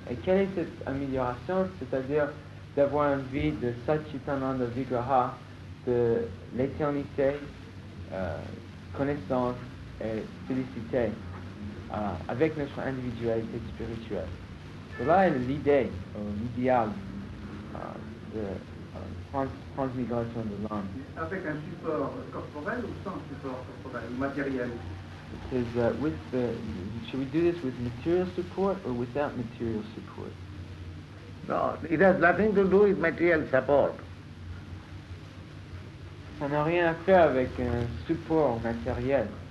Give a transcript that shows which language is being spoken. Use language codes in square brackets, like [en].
[fr] Et quelle est cette amélioration? C'est-à-dire d'avoir une vie de Satchitananda Vigraha, de l'éternité, connaissance et félicité avec notre individualité spirituelle. Cela est l'idée, l'idéal de transmigration de l'âme. Avec un support corporel ou sans support corporel ou matériel? [en] It says that with the, should we do this with material support or without material support? No, it has nothing to do with material support. [fr] Ça n'a rien à faire avec un support matériel.